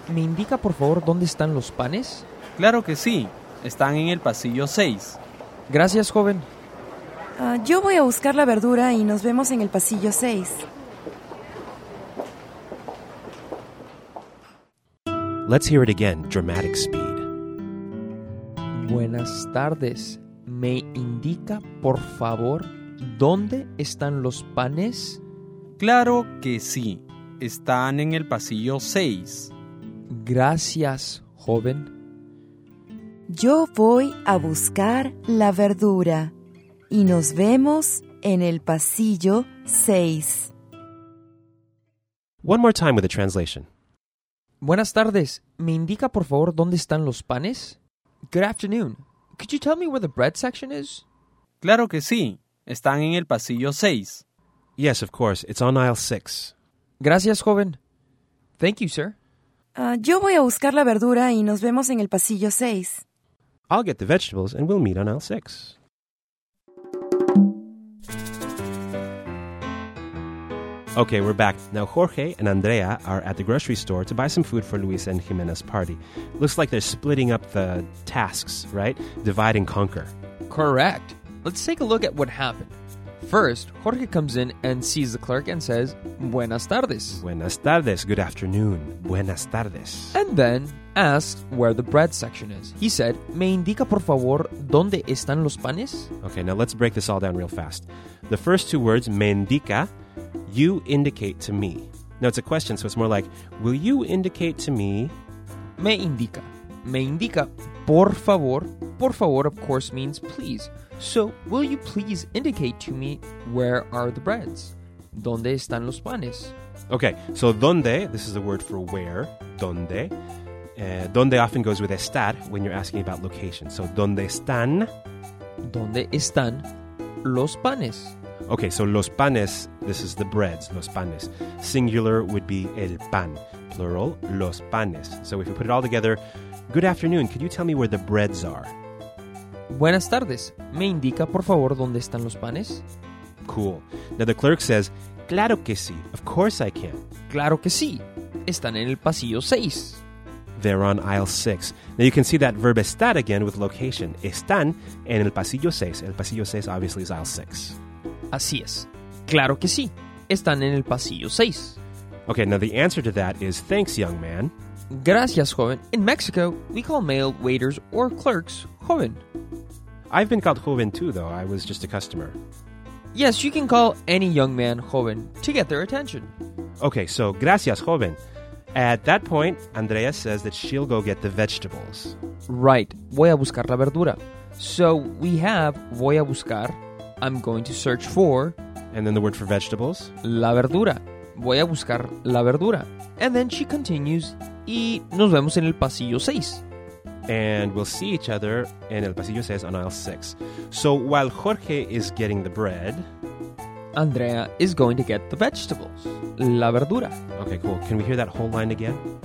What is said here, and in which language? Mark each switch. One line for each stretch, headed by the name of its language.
Spanish: ¿Me indica, por favor, dónde están los panes? Claro que sí. Están en el pasillo 6. Gracias, joven. Yo voy a buscar la verdura y nos vemos en el pasillo 6.
English: Let's hear it again, dramatic speed.
Spanish: Buenas tardes. ¿Me indica, por favor, dónde están los panes? Claro que sí. Están en el pasillo 6. Gracias, joven. Yo voy a buscar la verdura y nos vemos en el pasillo 6.
English: One more time with the translation.
Spanish: Buenas tardes. ¿Me indica, por favor, dónde están los panes?
English: Good afternoon. Could you tell me where the bread section is?
Spanish: Claro que sí. Están en el pasillo 6.
English: Yes, of course. It's on aisle 6.
Spanish: Gracias, joven.
English: Thank you, sir.
Spanish: Yo voy a buscar la verdura y nos vemos en el pasillo 6.
English: I'll get the vegetables and we'll meet on aisle 6. Okay, we're back. Now Jorge and Andrea are at the grocery store to buy some food for Luis and Jimena's party. Looks like they're splitting up the tasks, right? Divide and conquer. Correct. Let's take a look at what happened. First, Jorge comes in and sees the clerk and says,
Spanish: Buenas tardes. Buenas tardes.
English: Good afternoon.
Spanish: Buenas tardes.
English: And then asks where the bread section is. He said,
Spanish: ¿Me indica, por favor, dónde están los panes?
English: Okay, now let's break this all down real fast. The first two words,
Spanish: me indica,
English: you indicate to me. Now it's a question, so it's more like, will you indicate to me?
Spanish: Me indica. Me indica, por favor.
English: Por favor, of course, means please. So, will you please indicate to me where are the breads?
Spanish: ¿Dónde están los panes?
English: Okay, so ¿dónde? This is the word for where. ¿Dónde? ¿Dónde often goes with estar when you're asking about location.
Spanish: So, ¿dónde están? ¿Dónde están los panes?
English: Okay, so
Spanish: los panes,
English: this is the breads, los panes. Singular would be el pan. Plural, los panes. So, if you put it all together, good afternoon, could you tell me where the breads are?
Spanish: Buenas tardes. ¿Me indica, por favor, dónde están los panes?
English: Cool. Now the clerk says,
Spanish: Claro que sí.
English: Of course I can.
Spanish: Claro que sí. Están en el pasillo 6.
English: They're on aisle 6. Now you can see that verb estar again with location.
Spanish: Están en el pasillo 6.
English: El pasillo 6 obviously is aisle 6.
Spanish: Así es. Claro que sí. Están en el pasillo 6.
English: Okay, now the answer to that is, Thanks, young man.
Spanish: Gracias, joven.
English: In Mexico, we call male waiters or clerks joven. I've been called joven too, though. I was just a customer. Yes, you can call any young man joven to get their attention. Okay, so
Spanish: gracias, joven.
English: At that point, Andrea says that she'll go get the vegetables.
Spanish: Right. Voy a buscar la verdura.
English: So we have
Spanish: voy a buscar,
English: I'm going to search for... And then the word for vegetables?
Spanish: La verdura. Voy a buscar la verdura.
English: And then she continues...
Spanish: Y nos vemos en el pasillo 6.
English: And we'll see each other
Spanish: en el pasillo 6
English: on aisle 6. So while Jorge is getting the bread... Andrea is going to get the vegetables.
Spanish: La verdura.
English: Okay, cool. Can we hear that whole line again?